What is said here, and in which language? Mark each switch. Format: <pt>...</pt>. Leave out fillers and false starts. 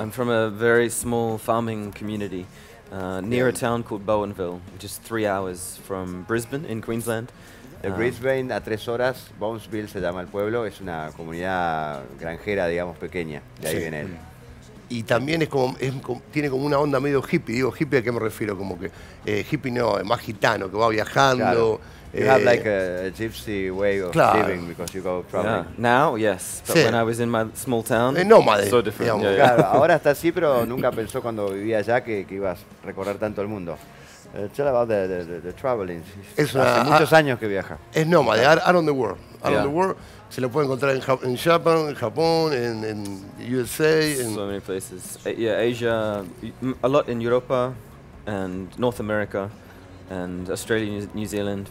<en>I'm from a very small farming community near a town called Bowenville, which is 3 hours from Brisbane in Queensland.</en> <es>De Brisbane a 3 horas, Bonesville se llama el pueblo, es una comunidad granjera, digamos, pequeña, de ahí viene él. Y también tiene como una onda medio hippie, digo, ¿hippie a qué me refiero? Como que hippie no, es más gitano, que va viajando. Claro.</es> <en>You have like a gypsy way of living because you go traveling. Yeah. Now, yes, but when I was in my small town, nomad, so different. Yeah, yeah.</en> <es>Claro, ahora está así, pero nunca pensó cuando vivía allá que ibas a recorrer tanto el mundo.</es> <en>Tell about the traveling.</en> <es>Hace muchos años que viaja. Es nómade,</es> <en>around the world. Around the world.</en> <es>Se lo puede encontrar en Japón, en USA.</es> <en>So many places. Yeah, Asia, a lot in Europa, and North America, and Australia, New Zealand.</en>